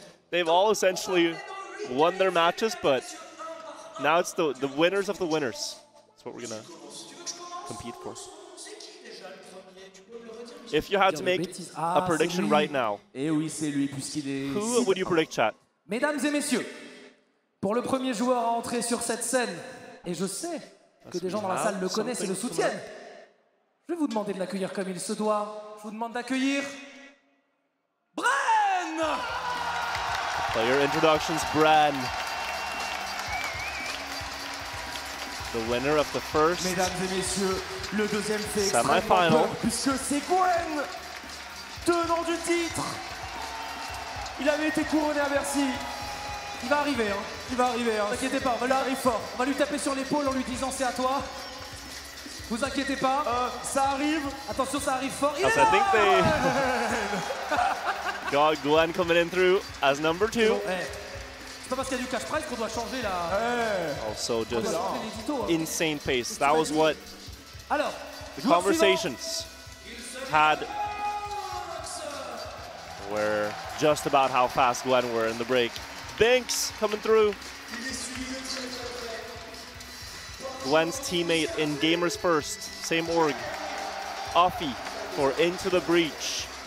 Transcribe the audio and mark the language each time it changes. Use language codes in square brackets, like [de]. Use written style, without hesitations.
[en] They've all essentially won their matches, but now it's the winners of the winners. That's what we're going to compete for. If you had to make a prediction right now, who would you predict, chat? [fr] Mesdames et messieurs, pour le premier joueur à entrer sur cette scène, et je sais que des gens dans la salle le connaissent et le soutiennent, je vais vous demander de l'accueillir comme il se doit. Je vous demande d'accueillir Bren. [en] Player introductions, Bren. The winner of the first. [fr] Mesdames et messieurs, le deuxième fait [en] semi-final. [fr] Puisque c'est Gwen, tenant du titre. Il avait été couronné à Bercy. Il va arriver, hein. Il va arriver. Ne t'inquiétez pas, voilà, il arrive fort. On va lui taper sur l'épaule en lui disant c'est à toi. Vous inquiétez pas. Ça arrive. Attention, ça arrive fort. [en] Yes, I think they got Gwen coming in through as number 2. [fr] C'est pas parce qu'il y a du cash prize qu'on doit changer là. [en] Also, just insane pace. That was what [fr] alors, [en] the conversations had were just about how fast Gwen were in the break. Binks coming through. Gwen's teammate in Gamers First, same org. Uffy for Into the Breach.